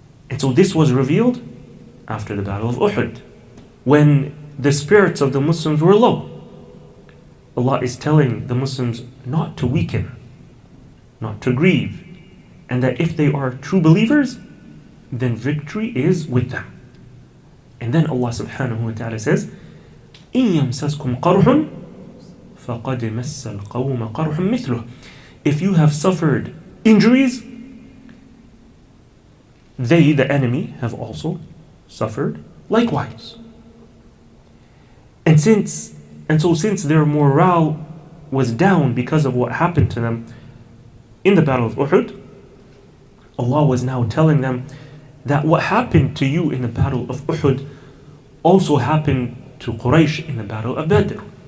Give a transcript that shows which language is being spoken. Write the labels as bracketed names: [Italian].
[English] And so this was revealed after the Battle of Uhud, when the spirits of the Muslims were low. Allah is telling the Muslims not to weaken, not to grieve, and that if they are true believers, then victory is with them. And then Allah subhanahu wa ta'ala says, [Arabic] إِن يَمْسَسْكُمْ قَرْحٌ فَقَدْ مَسَّ الْقَوْمَ قَرْحٌ مِثْلُهُ. [English] If you have suffered injuries, they, the enemy, have also suffered likewise. And so since their morale was down because of what happened to them in the Battle of Uhud, Allah was now telling them that what happened to you in the Battle of Uhud also happened to Quraysh in the Battle of Badr.